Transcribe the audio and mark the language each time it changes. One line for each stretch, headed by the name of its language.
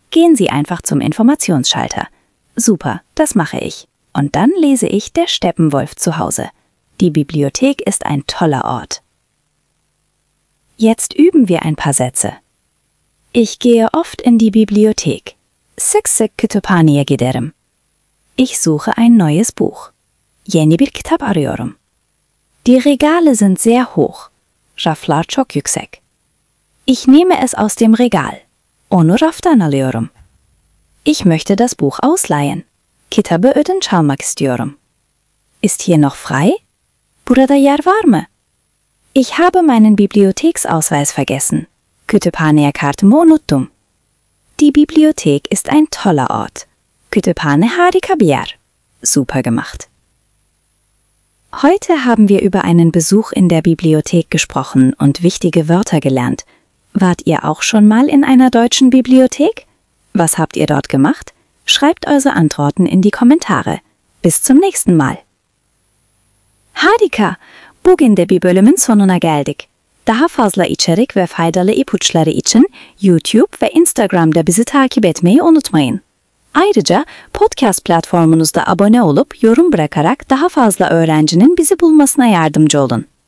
German: Gehen Sie einfach zum Informationsschalter. Super, das mache ich. Und dann lese ich Der Steppenwolf zu Hause. Die Bibliothek ist ein toller Ort. Jetzt üben wir ein paar Sätze. Ich gehe oft in die Bibliothek.
Turkish: Sık sık kütüphaneye giderim.
German: Ich suche ein neues Buch.
Turkish: Yeni bir kitap arıyorum.
German: Die Regale sind sehr hoch.
Turkish: Raflar çok yüksek.
German: Ich nehme es aus dem Regal.
Turkish: Onu raftan alıyorum.
German: Ich möchte das Buch ausleihen.
Turkish: Kitabı öden çalmak istiyorum.
German: Ist hier noch frei?
Turkish: Burada yer var mı?
German: Ich habe meinen Bibliotheksausweis vergessen.
Turkish: Kütüphaneye kartımı unuttum.
German: Die Bibliothek ist ein toller Ort.
Turkish: Kütüphane harika bir yer.
German: Super gemacht. Heute haben wir über einen Besuch in der Bibliothek gesprochen und wichtige Wörter gelernt. Wart ihr auch schon mal in einer deutschen Bibliothek? Was habt ihr dort gemacht? Schreibt eure Antworten in die Kommentare. Bis zum nächsten Mal.
Turkish: Harika! Bugünde bir bölümün sonuna geldik. Daha fazla içerik ve faydalı ipuçları için YouTube ve Instagram'da bizi takip etmeyi unutmayın. Ayrıca podcast platformunuzda abone olup yorum bırakarak daha fazla öğrencinin bizi bulmasına yardımcı olun.